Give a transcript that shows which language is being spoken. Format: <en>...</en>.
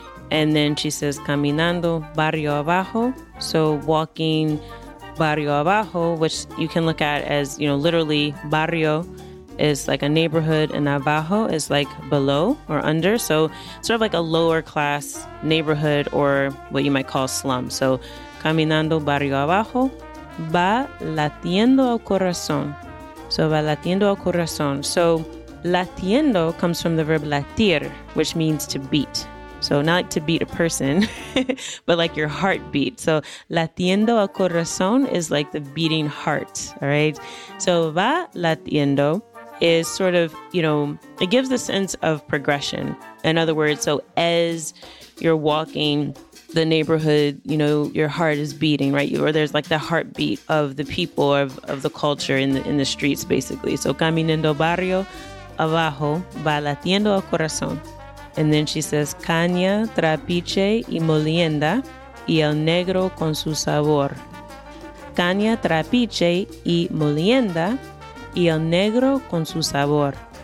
<en>And then she says,</en> <es>caminando barrio abajo.</es> <en>So walking barrio abajo, which you can look at as, you know, literally barrio is like a neighborhood and abajo is like below or under. So sort of like a lower class neighborhood or what you might call slum.</en> <es>So caminando barrio abajo, va latiendo el corazón. So va latiendo el corazón.</es> <en>So latiendo comes from the verb latir, which means to beat. So not like to beat a person, but like your heartbeat. So</en> <es>latiendo el corazón</es> <en>is like the beating heart, all right? So</en> <es>va latiendo</es> <en>is sort of, you know, it gives a sense of progression. In other words, so as you're walking the neighborhood, you know, your heart is beating, right? Or there's like the heartbeat of the people, of the culture in the streets, basically.</en> <es>So caminando barrio abajo va latiendo el corazón.</es> <en>And then she says,</en> <es>caña, trapiche y molienda, y el negro con su sabor. Caña, trapiche y molienda, y el negro con su sabor.</es>